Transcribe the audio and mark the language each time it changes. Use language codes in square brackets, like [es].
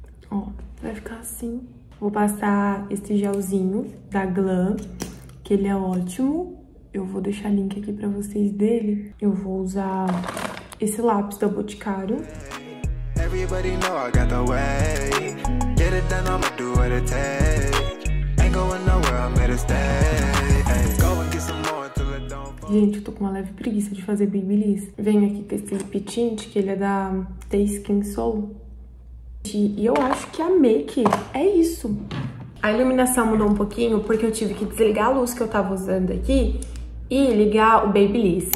[pt] Ó, vai ficar assim. Vou passar esse gelzinho da Glam, que ele é ótimo. Eu vou deixar link aqui para vocês dele. Eu vou usar esse lápis da Boticário. [en] Everybody know I got the way. Get it done, I'ma do what it takes. Ain't going nowhere, I'm here to stay. Go and get some more until it don't. [pt] Gente, eu tô com uma leve preguiça de fazer babyliss. Venho aqui com esse lip tint, que ele é da The Skin Soul. E eu acho que a make é isso. A iluminação mudou um pouquinho porque eu tive que desligar a luz que eu tava usando aqui e ligar o Babyliss.